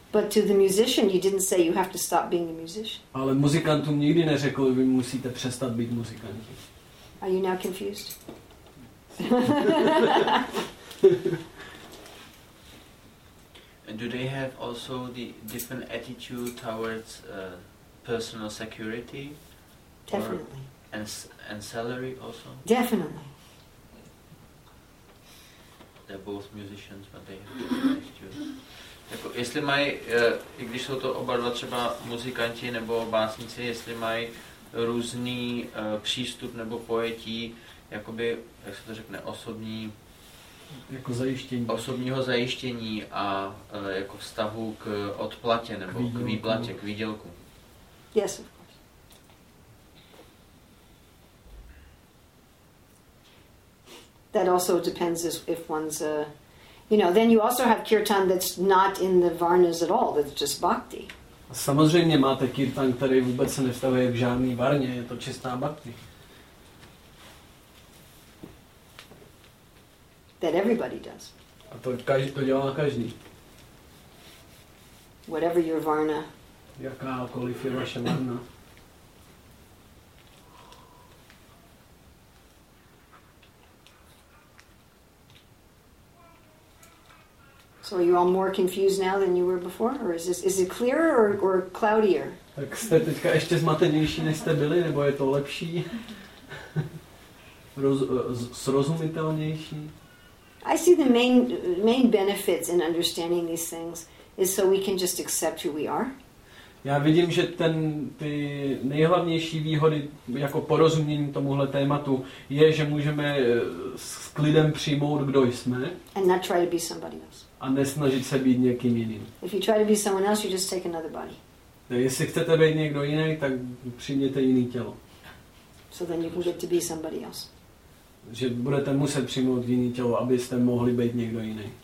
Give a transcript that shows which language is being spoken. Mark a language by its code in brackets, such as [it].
[en] But to the musician, you didn't say you have to stop being a musician. [cs] Ale muzikantům nikdy neřekl, vy musíte přestat být muzikanty. [en] Are you now confused? Do they have also the different attitude towards personal security? Definitely. And salary also? Definitely. They're both musicians, but they have different attitudes. [cs] Jako, jestli mají, i když jsou to oba dva třeba muzikanti nebo básníci, jestli mají různý přístup nebo pojetí, jakoby, jak se to řekne, osobní jako zajištění. Osobního zajištění a jako vztahu k odplatě nebo k výplatě, k výdělku. [en] Yes. That also depends if one's a, you know, then you also have kirtan that's not in the varnas at all, that's just bhakti. [cs] Samozřejmě máte kirtan, který vůbec se nevztahuje k žádný varně, je to čistá bhakti. [en] That everybody does. [cs] A to každý, to dělá každý. [en] Whatever your varna. [cs] Jakákoliv je vaše varna. [en] So are you all more confused now than you were before, or is it clearer or cloudier? [cs] Tak jste teďka ještě zmatenější než jste byli, nebo je to lepší, srozumitelnější? [en] I see the main benefits in understanding these things is so we can just accept who we are. [cs] Já vidím, že ty nejhlavnější výhody jako porozumění tomuhle tématu je, že můžeme s klidem přijmout, kdo jsme. [en] And not try to be somebody else. [cs] A nesnažit se být někým jiným. [en] If you try to be someone else, you just take another body. [cs] No, jestli chcete být někdo jiný, tak přijměte jiný tělo. [en] So then you can get to be somebody else. [cs] Že budete muset přijmout jiný tělo, abyste mohli být někdo jiný.